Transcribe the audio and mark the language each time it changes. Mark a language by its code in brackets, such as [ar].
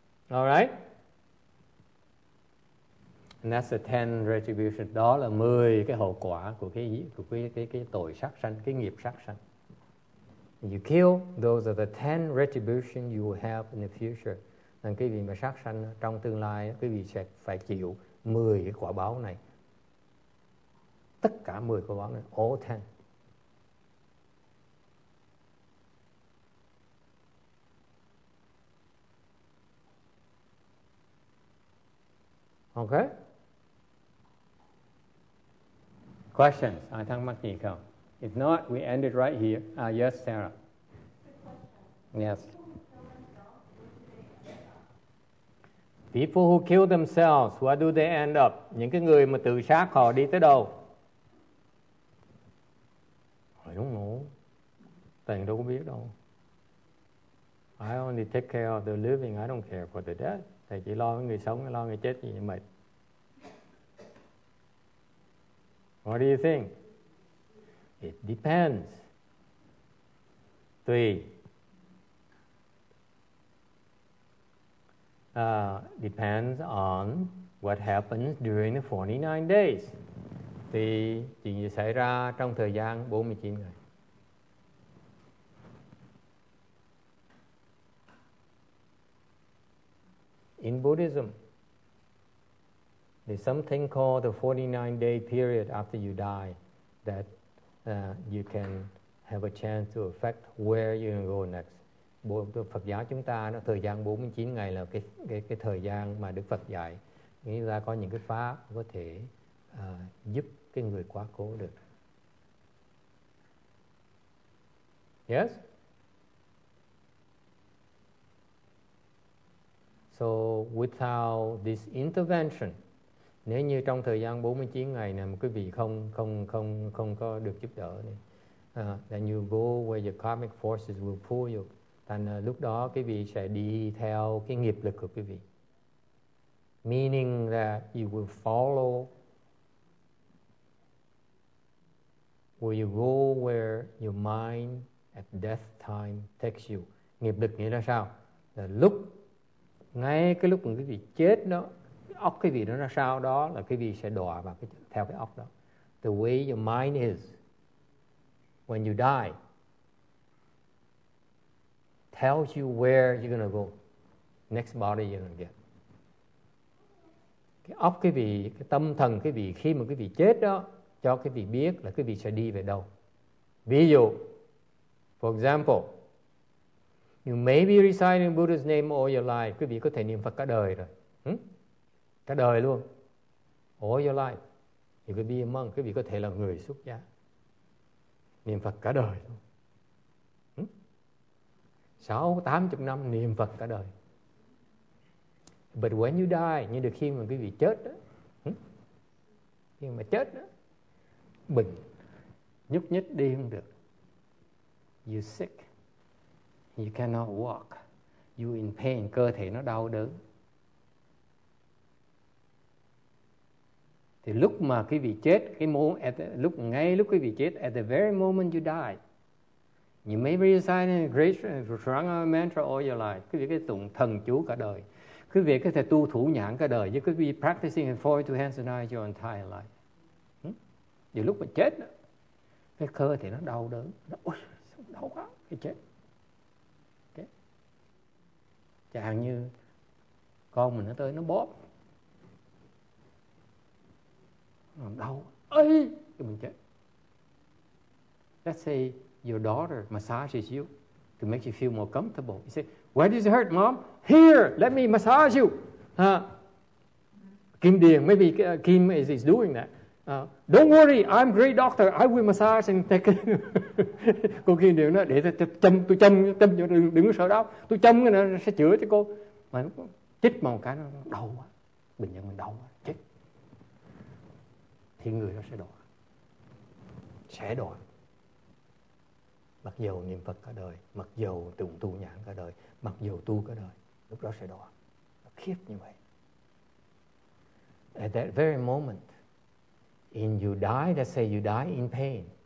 [en] All right. And that's the 10 retribution. [vi] Đó là 10 cái hậu quả của cái tội sát sanh, cái nghiệp sát sanh. [en] You kill, those are the 10 retribution you will have in the future. [vi] Nên cái vị mà sát sanh trong tương lai, cái vị sẽ phải chịu 10 cái quả báo này. Tất cả 10 quả báo này, [en] all 10. Okay. Questions? [vi] Ai thắc mắc gì không? [en] If not, we end it right here. Yes, Sarah. Yes. People who kill themselves, what do they end up? [vi] Những cái người mà tự sát họ đi tới đâu? [en] I don't know. [vi] Tình đâu có biết đâu. [en] I only take care of the living. I don't care for the dead. [vi] Thầy chỉ lo người sống, lo người chết gì mệt. [en] What do you think? It depends. [vi] Tùy. [en] Depends on what happens during the 49 days. [vi] Tùy chuyện gì xảy ra trong thời gian 49 ngày. [en] In Buddhism, there's something called the 49-day period after you die that you can have a chance to affect where you're going to go next. [vi] Phật giáo chúng ta nó thời gian 49 ngày là cái thời gian mà Đức Phật dạy. Nghĩa là có những cái pháp có thể giúp cái người quá cố được. [en] Yes? So without this intervention, [vi] nếu như trong thời gian 49 ngày này mà quý vị không có được giúp đỡ này, [en] then you go where the karmic forces will pull you. [vi] Thành lúc đó quý vị sẽ đi theo cái nghiệp lực của quý vị. [en] Meaning that you will follow, will you go where your mind at death time takes you. [vi] Nghiệp lực nghĩa là sao? Là lúc, ngay cái lúc mà quý vị chết đó, cái óc quý vị nó ra sao đó là quý vị sẽ đọa vào cái, theo cái óc đó. [en] The way your mind is when you die tells you where you're going to go. Next body you're going to get. [vi] Cái óc quý vị, cái tâm thần quý vị khi mà quý vị chết đó, cho quý vị biết là quý vị sẽ đi về đâu. Ví dụ, [en] for example, you may be reciting Buddha's name all your life. [vi] Quý vị có thể niệm Phật cả đời rồi. Cả đời luôn. [en] All your life. You could be a monk. [vi] Quý vị có thể là người xuất gia. Niệm Phật cả đời luôn. 80 năm niệm Phật cả đời. [en] But when you die, [vi] như được khi mà quý vị chết đó, khi mà chết đó, bình, nhúc nhích đi không được. [en] You sick. You cannot walk. You in pain. [vi] Cơ thể nó đau đớn. Thì lúc mà quý vị chết, [en] lúc quý vị chết, at the very moment you die, you may recite a great Sarana mantra all your life. [vi] Quý vị có thể tụng thần chú cả đời. Quý vị có thể tu thủ nhãn cả đời. [en] You could be practicing and forward to hands and eyes your entire life. [vi] Thì lúc mà chết, cái cơ thể nó đau đớn. Đau quá, cái chết. Chẳng như con mình nó tới nó bóp làm đau ấy thì mình chết. [en] Let's say your daughter massages you to make you feel more comfortable. You say, where does it hurt, mom? Here, let me massage you. Kim Điền, maybe Kim is doing that. Don't worry, I'm a great doctor. I will massage and take. [vi] Cô kia điều nó để tôi châm cho đừng có sợ đau. Tôi châm nó sẽ chữa cho cô. Mà nó chích một cái nó đau quá. Bệnh nhân mình đau quá, chết. Thì người nó sẽ đọa. Sẽ đọa. Mặc dù niệm Phật cả đời, mặc dù tụng tu nhãn cả đời, mặc dù tu cả đời, lúc đó sẽ đọa. Nó khiếp như vậy. [en] At that very moment in you die, let's say you die in pain.